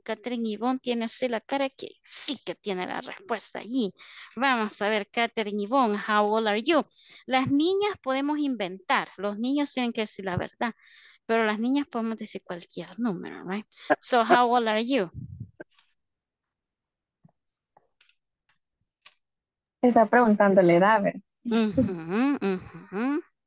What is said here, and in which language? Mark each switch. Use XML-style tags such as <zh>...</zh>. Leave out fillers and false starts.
<es>Katherine Yvonne tiene así la cara que sí que tiene la respuesta allí. Vamos a ver,</es> <en>Katherine Yvonne, how old are you?</en> <es>Las niñas podemos inventar. Los niños tienen que decir la verdad. Pero las niñas podemos decir cualquier número, right?</es> <en>So, how old are you?</en> <es>Está preguntándole, David. Uh-huh, uh-huh.</es>